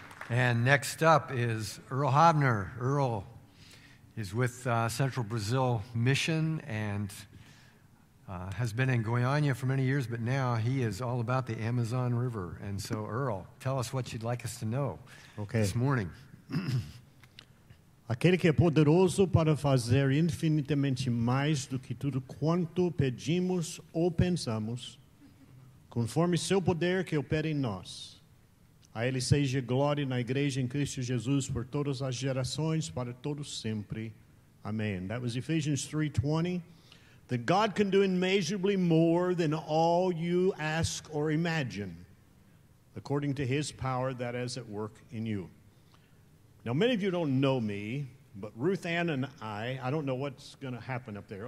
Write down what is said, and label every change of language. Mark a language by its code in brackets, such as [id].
[en] And next up is Earl Hobner. Earl is with Central Brazil Mission and has been in Goiânia for many years, but now he is all about the Amazon River. And so, Earl, tell us what you'd like us to know this morning. [pt] Aquele que é poderoso para fazer infinitamente mais do que tudo quanto pedimos ou pensamos, conforme seu poder que opera em nós. A Ele seja glória na igreja em Cristo Jesus por todas as gerações, para todo sempre. [en] Amém. That was Ephesians 3:20. That God can do immeasurably more than all you ask or imagine, according to His power that is at work in you. Now, many of you don't know me, but Ruth Ann and I don't know what's going to happen up there.